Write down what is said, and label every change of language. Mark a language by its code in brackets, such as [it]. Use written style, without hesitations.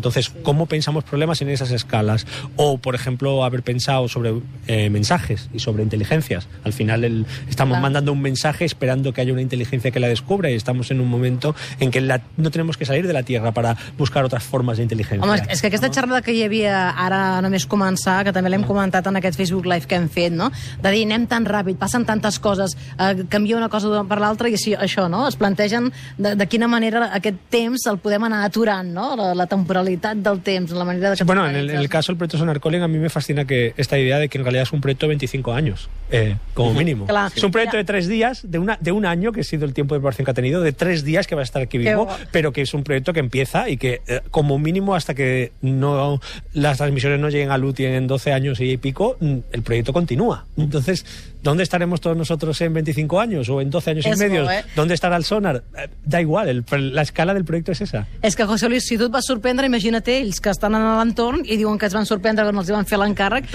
[es] Entonces, ¿cómo pensamos problemas en esas escalas? O, por ejemplo, haber pensado sobre mensajes y sobre inteligencias. Al final estamos mandando un mensaje esperando que haya una inteligencia que la descubra y estamos en un momento en que no tenemos que salir de la Tierra para buscar otras formas de inteligencia. [ca] Home, és que aquesta xerrada que hi havia ara només començar, que també l'hem comentat en aquest Facebook Live que hem fet, no? De dir, anem tan ràpid, passen tantes coses, canvia una cosa per l'altra i això, no? Es plantegen de quina manera aquest temps el podem anar aturant, no? La temporalitat del temps, la manera de... [es] Bueno, en el caso del proyecto Sonar Calling, a mí me fascina que esta idea de que en realidad es un proyecto de 25 años, como mínimo. Claro. Es un proyecto de 3 días, de un año, que ha sido el tiempo de preparación que ha tenido, de 3 días que va a estar aquí vivo, pero que es un proyecto que empieza y que, como mínimo, hasta que no las transmisiones no lleguen a luz y en 12 años y pico, el proyecto continúa. Entonces, ¿dónde estaremos todos nosotros en 25 años o en 12 años y medio? ¿Dónde estará el Sonar? Da igual, la escala del proyecto es esa. Es que José Luis, si tú te vas a sorprender, imagínate [ca] ells que estan en l'entorn i diuen que es van sorprendre quan els van fer l'encàrrec.